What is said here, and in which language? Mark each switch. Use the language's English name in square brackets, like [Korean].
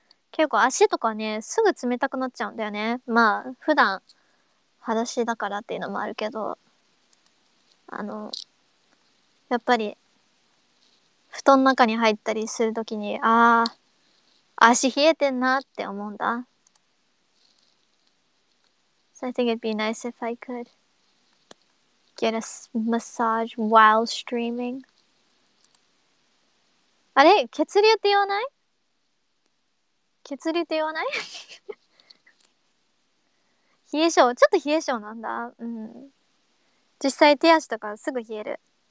[Japanese] 結構足とかね、すぐ冷たくなっちゃうんだよね。まあ、普段裸足だからっていうのもあるけど。あのやっぱり布団の中に入ったりするときに、ああ足冷えてんなって思うんだ。 [English] So I think it'd be nice if I could get a massage while streaming. [Japanese] あれ血流って言わない？血流って言わない？冷え性、ちょっと冷え性なんだ。うん、実際手足とかすぐ冷える。